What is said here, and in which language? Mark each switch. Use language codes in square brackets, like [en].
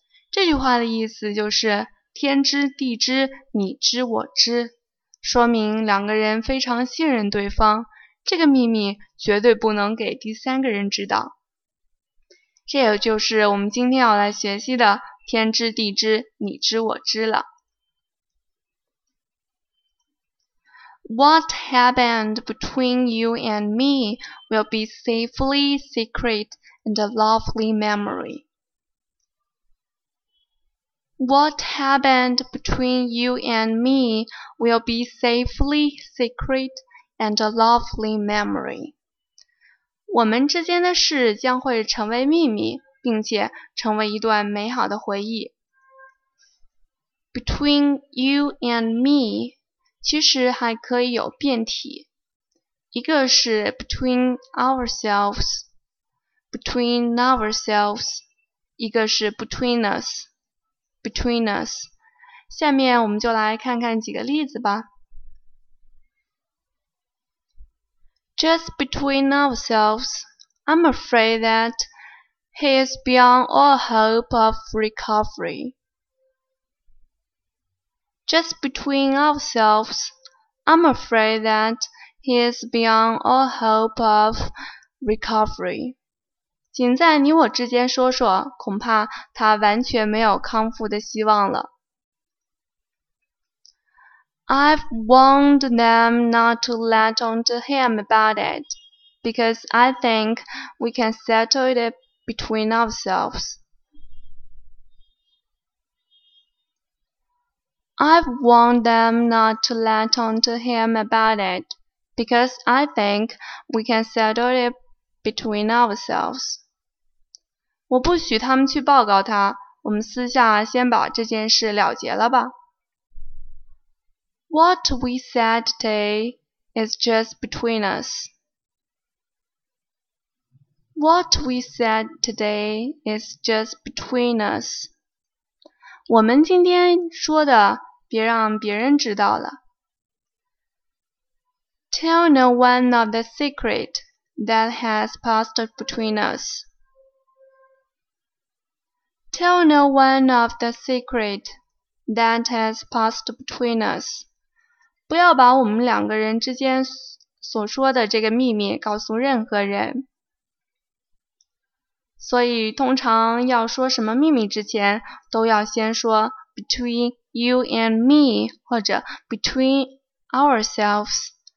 [zh] 这句话的意思就是天知地知，你知我知，说明两个人非常信任对方，这个秘密绝对不能给第三个人知道。这也就是我们今天要来学习的天知地知，你知我知了。 [en] What happened between you and meWill be safely secret and a lovely memory. What happened between you and me will be safely secret and a lovely memory. [zh] 我们之间的事将会成为秘密，并且成为一段美好的回忆。 [en] Between you and me [zh] 其实还可以有变体。一个是 [en] between ourselves, between ourselves, 一个是 between us, between us. [zh] 下面我们就来看看几个例子吧。 [en] Just between ourselves, I'm afraid that he is beyond all hope of recovery. Just between ourselves, I'm afraid thatHe is beyond all hope of recovery. [zh] 仅在你我之间说说，恐怕他完全没有康复的希望了。 [en] I've warned them not to let on to him about it, because I think we can settle it between ourselves. I've warned them not to let on to him about it. Because I think we can settle it between ourselves. [zh] 我不许他们去报告他，我们私下先把这件事了结了吧。 [en] What we said today is just between us. What we said today is just between us. [zh] 我们今天说的，别让别人知道了。 [en] Tell no one of the secret that has passed between us. Tell no one of the secret that has passed between us. [zh] 不要把我们两个人之间所说的这个秘密告诉任何人。所以通常要说什么秘密之前，都要先说 [en] between you and me, [zh] 或者 [en] between ourselves.